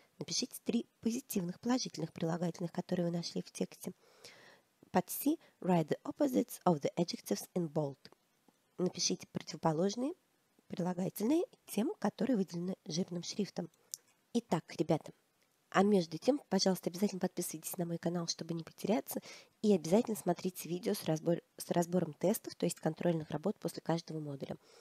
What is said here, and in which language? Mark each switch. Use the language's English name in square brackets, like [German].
[Russian] Напишите три позитивных, положительных прилагательных, которые вы нашли в тексте. Под C. [English] Write the opposites of the adjectives in bold. [Russian] Напишите противоположные прилагательные тем, которые выделены жирным шрифтом. Итак, ребята. А между тем, пожалуйста, обязательно подписывайтесь на мой канал, чтобы не потеряться. И обязательно смотрите видео с разбором тестов, то есть контрольных работ после каждого модуля.